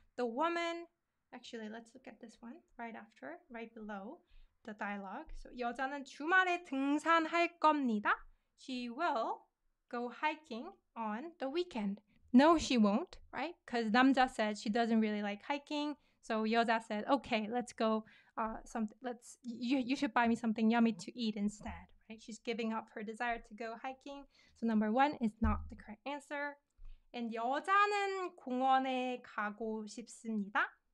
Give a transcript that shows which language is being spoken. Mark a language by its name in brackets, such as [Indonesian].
[English] The woman, actually, let's look at this one right after, right below the dialogue. [Korean] So, 여자는 주말에 등산할 겁니다. [English] She will go hiking on the weekend. No, she won't, right? Because 남자 said she doesn't really like hiking. So, 여자 said, okay, let's go, you should buy me something yummy to eat instead. Right? She's giving up her desire to go hiking. So number one is not the correct answer. [Korean] And 여자는 공원에 가고 싶습니다.